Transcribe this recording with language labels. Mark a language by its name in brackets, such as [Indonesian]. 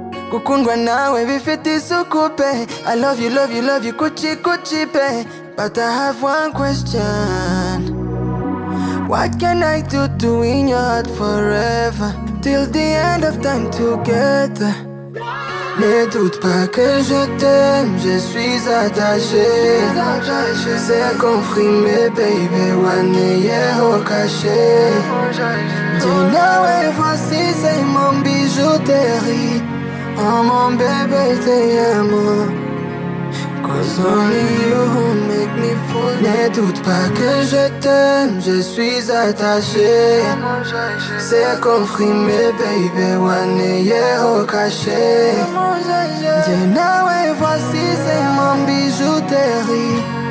[Kinyarwanda] Kukundwa nawe bifite isuku pe. [English] I love you, love you, love you, kuchi kuchi pe. But I have one question. What can I do to win your heart forever? Till the end of time together. [French] Ne doute pas que je t'aime, je suis attaché. C'est confirmé, baby, one year au cachet. Dis nawe, voici, c'est mon bijouterie. Oh mon bébé, t'es à moi. [English] Cause only you who make me fall. [French] Ne doute pas que je t'aime, je suis attaché. C'est confirmé, baby, one year au cachet. Dis nawe, voici, c'est mon bijouterie.